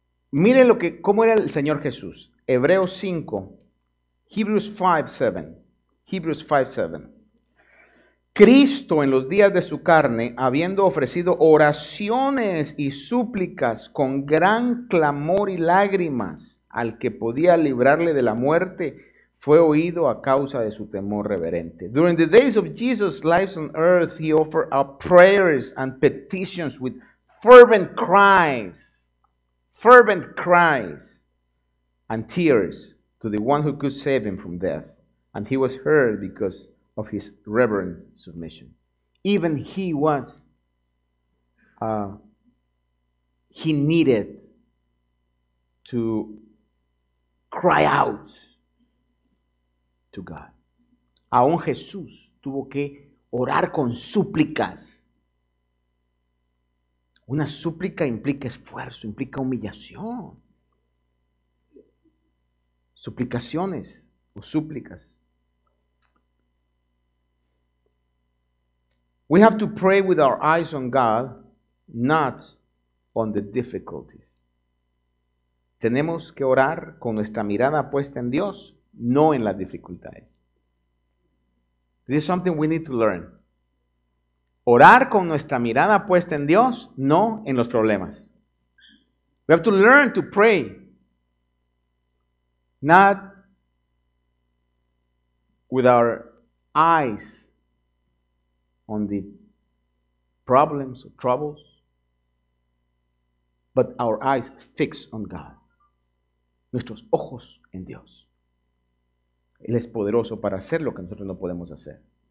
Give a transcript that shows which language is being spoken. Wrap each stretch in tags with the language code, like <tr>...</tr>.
<es>Miren lo que cómo era el Señor Jesús. Hebreos 5, Hebrews 5, 7. Hebrews 5, 7. Cristo en los días de su carne, habiendo ofrecido oraciones y súplicas con gran clamor y lágrimas al que podía librarle de la muerte, fue oído a causa de su temor reverente.</es> <en>During the days of Jesus' life on earth, he offered up prayers and petitions with fervent cries. Fervent cries and tears to the one who could save him from death. And he was heard because of his reverent submission. Even he was, he needed to cry out to God.</en> <es>Aún Jesús tuvo que orar con súplicas. Una súplica implica esfuerzo, implica humillación. Suplicaciones o súplicas.</es> <en>We have to pray with our eyes on God, not on the difficulties.</en> <es>Tenemos que orar con nuestra mirada puesta en Dios. No en las dificultades.</es> <en>This is something we need to learn.</en> <es>Orar con nuestra mirada puesta en Dios, no en los problemas.</es> <en>We have to learn to pray. Not with our eyes on the problems or troubles, but our eyes fixed on God.</en> <es>Nuestros ojos en Dios. Él es poderoso para hacer lo que nosotros no podemos hacer.</es>